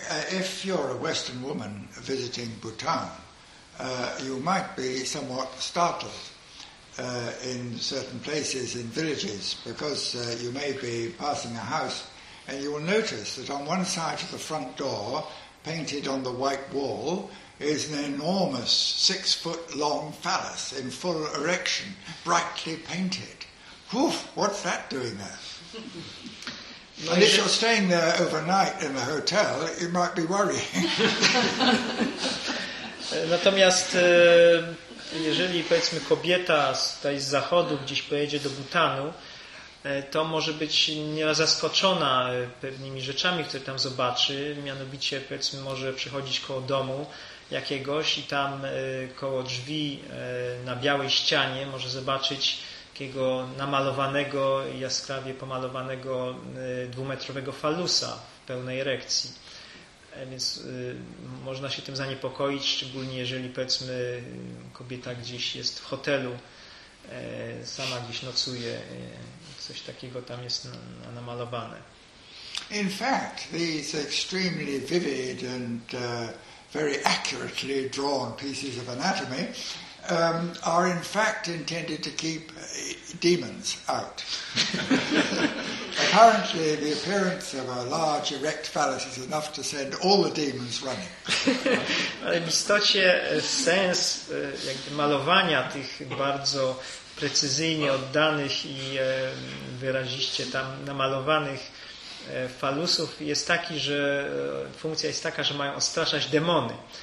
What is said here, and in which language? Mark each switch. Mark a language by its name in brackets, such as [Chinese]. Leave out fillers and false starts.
[English] If you're a Western woman visiting Bhutan, you might be somewhat startled in certain places, in villages, because you may be passing a house and you will notice that on one side of the front door, painted on the white wall, is an enormous 6-foot-long phallus in full erection, brightly painted. Oof, what's that doing there? No, and if you're staying there overnight in the hotel, you might be worrying. [Polish] Natomiast jeżeli, powiedzmy, kobieta tutaj z zachodu gdzieś pojedzie do Bhutanu, to może być nieraz zaskoczona pewnymi rzeczami, które tam zobaczy. Mianowicie, powiedzmy, może przychodzić koło domu jakiegoś i tam koło drzwi na białej ścianie może zobaczyć takiego namalowanego, jaskrawie pomalowanego dwumetrowego falusa w pełnej erekcji. Więc można się tym zaniepokoić, szczególnie jeżeli, powiedzmy, kobieta gdzieś jest w hotelu, sama gdzieś nocuje, coś takiego tam jest namalowane. [English] In fact, these extremely vivid and very accurately drawn pieces of anatomy are in fact intended to keep demons out. Apparently the appearance of a large erect phallus is enough to send all the demons running. [Polish] Ale w istocie sens jakby malowania tych bardzo precyzyjnie oddanych i wyraziście tam namalowanych falusów jest taki, że funkcja jest taka, że mają odstraszać demony.